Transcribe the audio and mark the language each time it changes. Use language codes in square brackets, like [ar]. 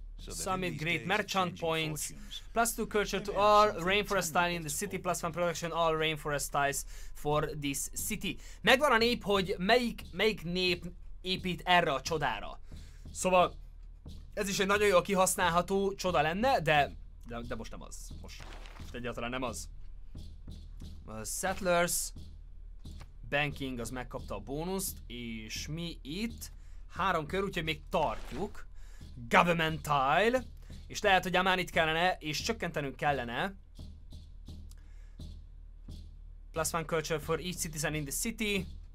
[en] summit great merchant points, plus 2 culture to all rainforest tiles in the city, plus 1 production all rainforest tiles for this city. [hu] Megvan a nép, hogy melyik nép épít erre a csodára. Szóval ez is egy nagyon jó kihasználható csoda lenne, de most nem az. Most egyáltalán nem az. A settlers banking az megkapta a bónuszt, és mi itt 3 kör, úgyhogy még tartjuk. Government tile, és lehet, hogy már itt kellene, és csökkentenünk kellene. [en] Plus 1 culture for each citizen in the city.